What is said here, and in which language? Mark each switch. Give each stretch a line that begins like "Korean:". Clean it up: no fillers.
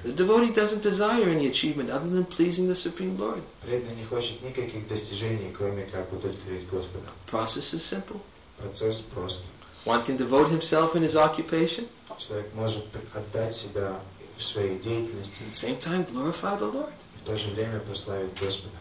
English: The devotee doesn't desire any achievement other than pleasing the Supreme Lord.
Russian: Преданный не хочет никаких достижений, кроме как удовлетворить Господа.
English: Process is simple.
Russian: Процесс прост.
English: One can devote himself in his occupation.
Russian: Человек может отдать себя в своей деятельности.
English: At the same time, glorify the Lord.
Russian: В то же время прославить Господа.